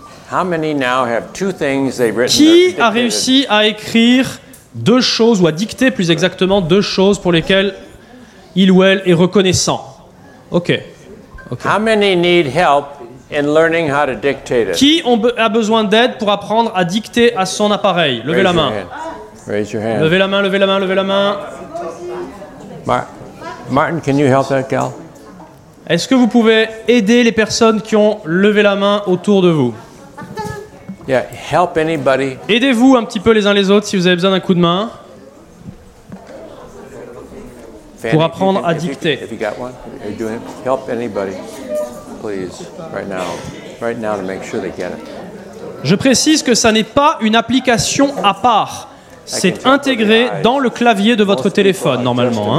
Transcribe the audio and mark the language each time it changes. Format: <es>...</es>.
<en>How many now have two things they've written?</en> <fr>Qui a réussi à écrire deux choses ou à dicter plus exactement deux choses pour lesquelles il ou elle est reconnaissant?</fr> <en>Okay. Okay. How many need help in learning how to dictate it?</en> <fr>Qui a besoin d'aide pour apprendre à dicter à son appareil? Levez la main.</fr> <en>Raise your hand.</en> <fr>Levez la main, levez la main, levez la main.</fr> <en>Martin, can you help that gal?</en> <fr>Est-ce que vous pouvez aider les personnes qui ont levé la main autour de vous?</fr> <en>Yeah, help anybody.</en> <fr>Aidez-vous un petit peu les uns les autres si vous avez besoin d'un coup de main. Fanny, pour apprendre à dicter.</fr> <en>If you got one, are you doing it? Help anybody, please, right now. Right now to make sure they get it.</en> <fr>Je précise que ça n'est pas une application à part. C'est intégré dans le clavier de votre téléphone, normalement.</fr>